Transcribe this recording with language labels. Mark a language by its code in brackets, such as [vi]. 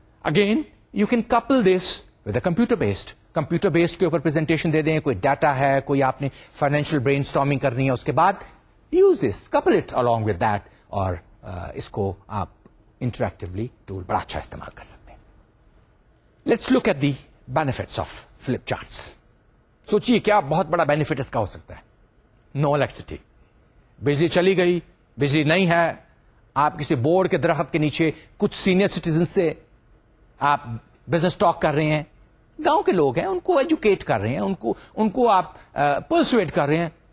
[en] again you can couple this with a computer based, [ur] computer based کے اوپر presentation دے دیں, کوئی ڈیٹا ہے, کوئی آپ نے فائنینشیل برین اسٹارمنگ کرنی ہے, اس کے بعد [en] use this couple it along with that, [ur] اور اس کو آپ انٹریکٹیولی ٹول بڑا اچھا استعمال کر سکتے ہیں. [en] Let's look at the benefits of flip charts. [ur] سوچیے کیا بہت بڑا بینیفٹ اس کا ہو سکتا ہے. نو الیکٹریسٹی, بجلی چلی گئی, بجلی نہیں ہے, آپ کسی بورڈ کے درخت کے نیچے کچھ سینئر سٹیزن سے آپ بزنس ٹاک کر رہے ہیں, گاؤں کے لوگ ہیں, ان کو ایجوکیٹ کر رہے ہیں, ان کو آپ پرسویٹ کر رہے ہیں.